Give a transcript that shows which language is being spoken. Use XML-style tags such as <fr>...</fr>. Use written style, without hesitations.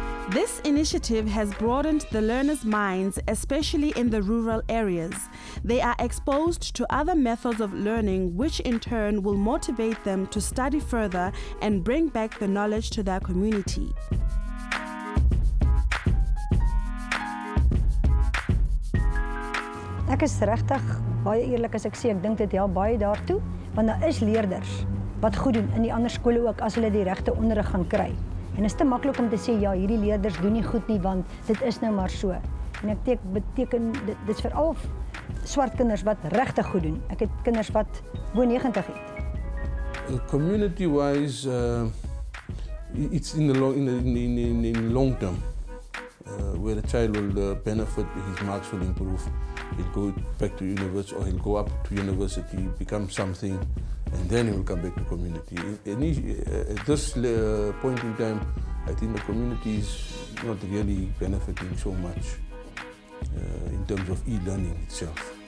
<en>This initiative has broadened the learners' minds, especially in the rural areas. They are exposed to other methods of learning, which in turn will motivate them to study further and bring back the knowledge to their community.</en> <af>Ek is regtig baie eerlik as ek sê ek dink dit help baie daartoe, want daar is leerders wat goed doen in die ander skole ook as hulle die regte onderrig gaan kry. En is te maklik om te sê ja, hierdie leerders doen nie goed nie want dit is nou maar so. En ek beteken dit is veral swart kinders wat regtig goed doen. Ek het kinders wat bo 90 het.</af> <en>Community wise it's in the long term where the child will benefit, his marks will improve. He'll go back to university or he'll go up to university, become something. And then he will come back to community. At this point in time, I think the community is not really benefiting so much in terms of e-learning itself.</en>